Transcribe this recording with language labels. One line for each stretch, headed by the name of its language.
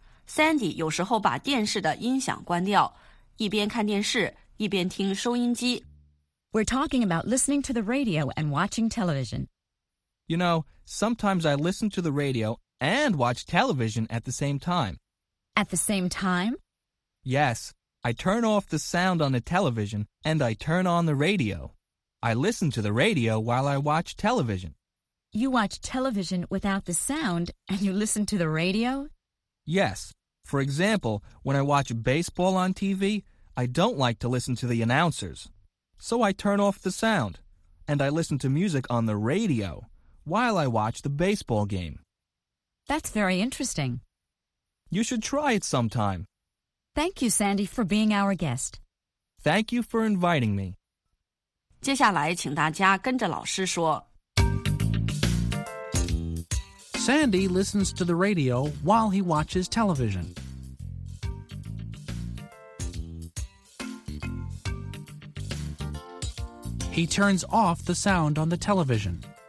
Chinese: Sandy 有时候把电视的音响关掉，一边看电视，一边听收音机。
English: We're talking about listening to the radio and watching television. You know, sometimes I listen to the radio and watch television at the same time. At the same time? Yes. I turn off the sound on the television and I turn on the radio. I listen to the radio while I watch television. You watch television without the sound and you listen to the radio? Yes. For example, when I watch baseball on TV, I don't like to listen to the announcers. So I turn off the sound and I listen to music on the radio while I watch the baseball game. That's very interesting. You should try it sometime. Thank you, Sandy, for being our guest. Thank you for inviting me.
Chinese: 接下来请大家跟着老师说。
English: Sandy listens to the radio while he watches television. He turns off the sound on the television.